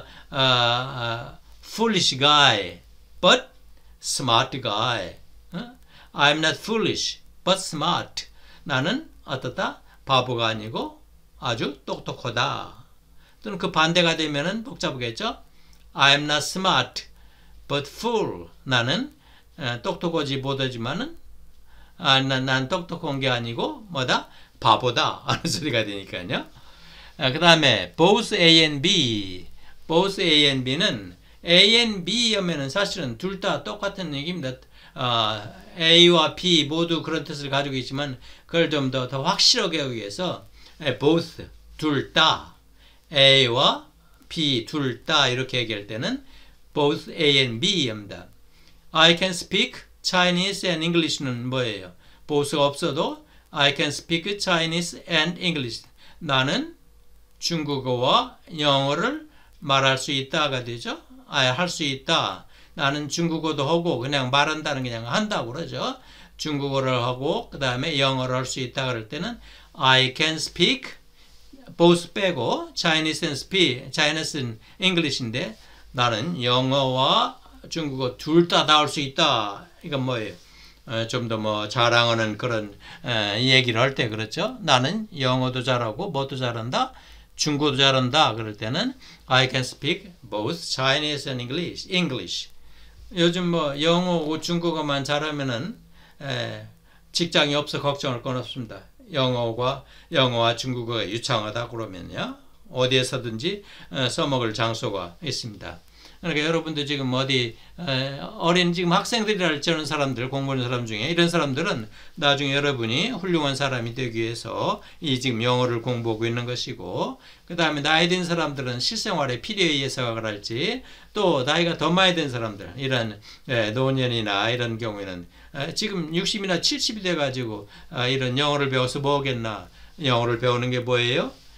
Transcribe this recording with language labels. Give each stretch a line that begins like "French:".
English: I'm not a foolish guy, but smart guy. I'm not foolish, but smart.
Korean: 나는 어떻다? 바보가 아니고 아주 똑똑하다. 또는 그 반대가 되면은 복잡하겠죠?
English: I'm not smart, but fool.
Korean: 나는 똑똑하지 못하지만은 난 똑똑한 게 아니고 뭐다? 바보다 하는 소리가 되니까요. 그 다음에
English: both A and B.
Korean: both A and B는 A and B 하면은 사실은 둘 다 똑같은 얘기입니다. A와 B 모두 그런 뜻을 가지고 있지만 그걸 좀 더 확실하게 하기 위해서 both 둘 다 A와 B 둘 다 이렇게 얘기할 때는
English: both A and B
Korean: 입니다.
English: I can speak Chinese and English는
Korean: 뭐예요?
English: both가
Korean: 없어도
English: I can speak Chinese and English.
Korean: 나는 중국어와 영어를 말할 수 있다가 되죠. 아예 할 수 있다. 나는 중국어도 하고 그냥 말한다는 게 그냥 한다고 그러죠. 중국어를 하고 그 다음에 영어를 할 수 있다 그럴 때는
English: I can speak both
Korean: 빼고 Chinese and speak Chinese는 English인데 나는 영어와 중국어 둘 다 나올 수 있다. 이건 뭐예요? 좀 더 뭐 자랑하는 그런 얘기를 할 때 그렇죠. 나는 영어도 잘하고 뭐도 잘한다. 중국어도 잘한다. 그럴 때는
English: I can speak both Chinese and English. English.
Korean: 요즘 뭐 영어고 중국어만 잘하면은 직장이 없어 걱정할 건 없습니다. 영어와 중국어가 유창하다 그러면요. 어디에서든지 써먹을 장소가 있습니다. 그러니까 여러분도 지금 어디 어린 지금 학생들이랄 저런 사람들 공부하는 사람 중에 이런 사람들은 나중에 여러분이 훌륭한 사람이 되기 위해서 이 지금 영어를 공부하고 있는 것이고 그 다음에 나이 든 사람들은 실생활에 필요에 의해서 그랄지 또 나이가 더 많이 든 사람들 이런 노년이나 이런 경우에는 지금 60이나 70이 돼가지고 이런 영어를 배워서 뭐겠나 영어를 배우는 게 뭐예요?